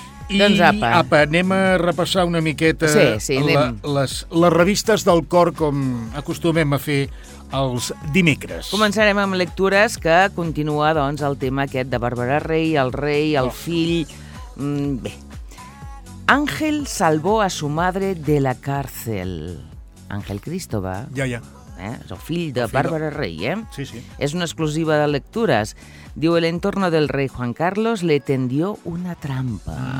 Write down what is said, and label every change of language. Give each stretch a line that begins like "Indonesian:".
Catalan: I, doncs apa, anem a repassar una miqueta les revistes del cor, com acostumem a fer els dimecres. Començarem amb lectures, que continua doncs, el tema aquest de Bàrbara rei, el fill... Bé.
Spanish: Ángel salvó a su madre de la cárcel.
Catalan: Ángel Cristóbal. Ja. És el fill de Bàrbara Rey, Sí, sí. És una exclusiva de lectures.
Spanish: Diu, el entorno del rei Juan Carlos le tendió una trampa.